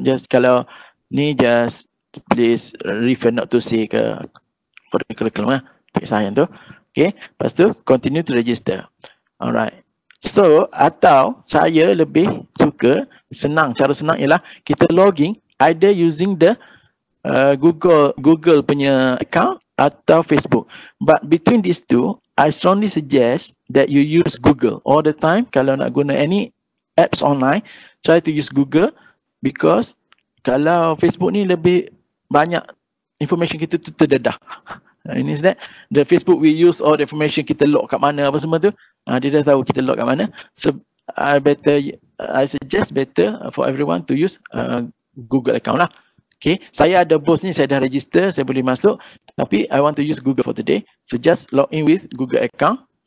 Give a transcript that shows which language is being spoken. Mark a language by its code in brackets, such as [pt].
[en] Just kalau ni just please refer not to say ke curriculum lah. [ms] Tak kisah yang tu. Okay. Lepas tu continue to register. Alright. So atau saya lebih suka senang. Cara senang ialah kita logging either using the Google punya account atau Facebook. [en] But between these two, I strongly suggest that you use Google all the time. [ms] Kalau nak guna any apps online, try to use Google, because kalau Facebook ni lebih banyak information kita tu terdedah. [en] Ini is that the Facebook we use all the information kita log kat mana apa semua tu. [ms] Dia dah tahu kita log kat mana. [en] So I suggest better for everyone to use Google account lah. [ms] Okay, saya ada both ni, saya dah register, saya boleh masuk. [en] Tapi I want to use Google for today. So just log in with Google account.